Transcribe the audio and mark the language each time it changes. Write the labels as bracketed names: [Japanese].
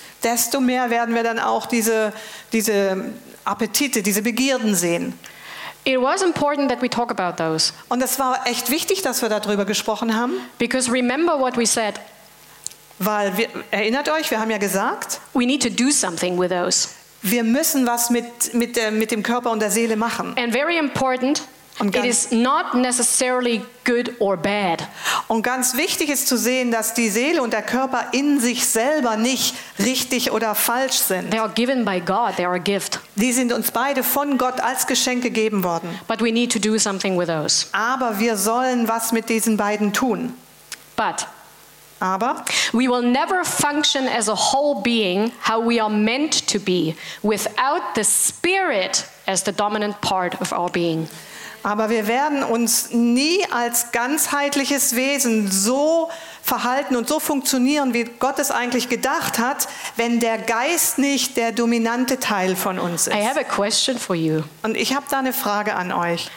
[German] Desto mehr werden wir dann auch diese Appetite, diese Begierden sehen. [English] It was important that we talk about those. [German] Und es war echt wichtig, dass wir darüber gesprochen haben. [English] Because remember what we said. [German] Weil wir, erinnert euch, wir haben ja gesagt, [English] we need to do something with those. [German] Wir müssen was mit dem Körper und der Seele machen. [English] And very important, it is not necessarily good or bad. [German] Und ganz wichtig ist zu sehen, dass die Seele und der Körper in sich selber nicht richtig oder falsch sind. [English] They are given by God, they are a gift. [German] Die sind uns beide von Gott als Geschenk gegeben worden. [English] But we need to do something with those. [German] Aber wir sollen was mit diesen beiden tun. [English] But [German] aber [English] we will never function as a whole being how we are meant to be without the spirit as the dominant part of our being. [German] Aber wir werden uns nie als ganzheitliches Wesen so verhalten und so funktionieren, wie Gott es eigentlich gedacht hat, wenn der Geist nicht der dominante Teil von uns ist. [English] I have a question for you. [German] Und ich habe da eine Frage an euch.